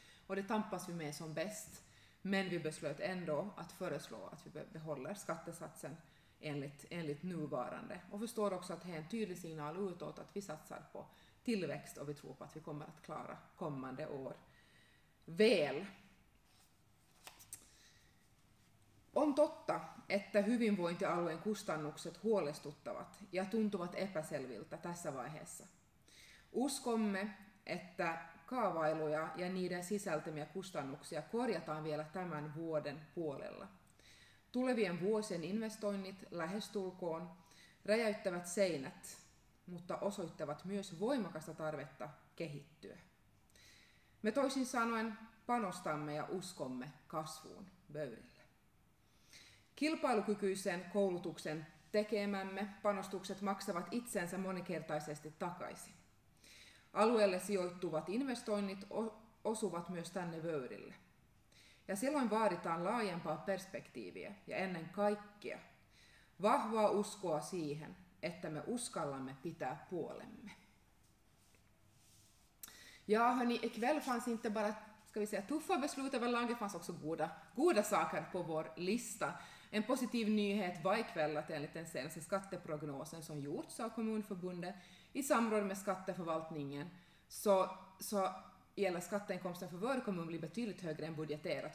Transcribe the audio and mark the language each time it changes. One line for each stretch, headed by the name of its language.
Swedish: Och det tampas vi med som bäst, men vi beslöt ändå att föreslå att vi behåller skattesatsen enligt nuvarande. Och förstår också att det är en tydlig signal utåt att vi satsar på tillväxt och vi tror på att vi kommer att klara kommande år väl.
Finnish: On totta, että hyvinvointialueen kustannukset huolestuttavat ja tuntuvat epäselviltä tässä vaiheessa. Uskomme, että kaavailuja ja niiden sisältämiä kustannuksia korjataan vielä tämän vuoden puolella. Tulevien vuosien investoinnit lähestulkoon räjäyttävät seinät, mutta osoittavat myös voimakasta tarvetta kehittyä. Me toisin sanoen panostamme ja uskomme kasvuun Vöyrillä. Kilpailukykyisen koulutuksen tekemämme panostukset maksavat itsensä moninkertaisesti takaisin. Alueelle sijoittuvat investoinnit osuvat myös tänne Vöyrille. Ja silloin vaaditaan laajempaa perspektiiviä ja ennen kaikkea vahvaa uskoa siihen, että me uskallamme pitää puolemme.
Swedish: Ja hörni, ikväll fanns inte bara, ska vi säga, tuffa beslut överlag, det fanns också goda saker på vår lista. En positiv nyhet var ikväll att enligt den senaste skatteprognosen som gjorts av kommunförbundet i samråd med skatteförvaltningen så gäller skatteinkomsten för vår kommun blir betydligt högre än budgeterat.